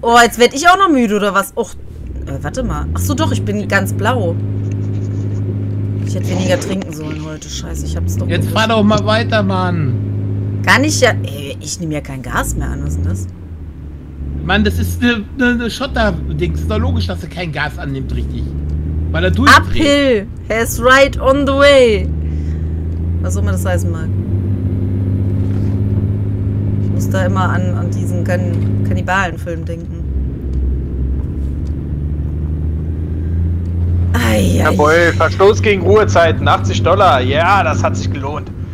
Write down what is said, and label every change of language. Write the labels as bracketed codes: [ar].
[de] Oh, jetzt werde ich auch noch müde oder was? Och, warte mal. Ach so, doch, ich bin ganz blau. Ich hätte weniger trinken sollen heute. Scheiße, ich hab's doch. Jetzt gewusst. Fahr doch mal weiter, Mann. Kann ich ja. Ey, ich nehme ja kein Gas mehr an. Was ist denn das? Mann, das ist eine Schotter-Ding. Das ist doch logisch, dass er kein Gas annimmt, richtig. Weil er durchdreht. [en] Uphill has right on the way. [de] Was auch immer das heißen mag. Ich muss da immer an diesen Kannibalen-Film denken. Jawohl, Verstoß gegen Ruhezeiten, $80. Ja, [en] yeah, [de] das hat sich gelohnt.